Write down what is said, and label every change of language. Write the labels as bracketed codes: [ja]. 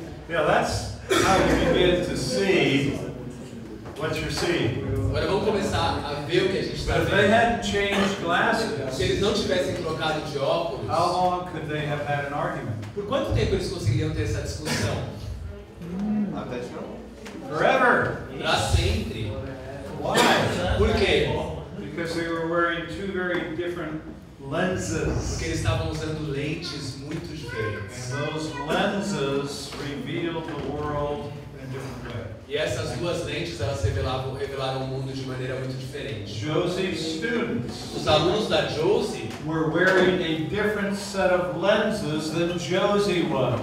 [en] Yeah, that's how you begin to see what you're seeing. [pt] Agora vamos começar a ver o que a gente está vendo. [en] If they hadn't changed glasses, [pt] se eles não tivessem trocado de óculos, [en] how long could they have had an argument? [pt] Por quanto tempo eles conseguiriam ter essa discussão? Até de novo. [en] Forever. [pt] Para sempre. [en] Why? [pt] Por quê? [en] Because they were wearing two very different lenses. [pt] Porque eles estavam usando lentes muito diferentes. [en] And those lenses revealed the world in a different way. [pt] E essas duas lentes elas revelaram o mundo de maneira muito diferente. [en] Joseph's students. [pt] Os alunos da Joseph [en] were wearing a different set of lenses than Joseph was.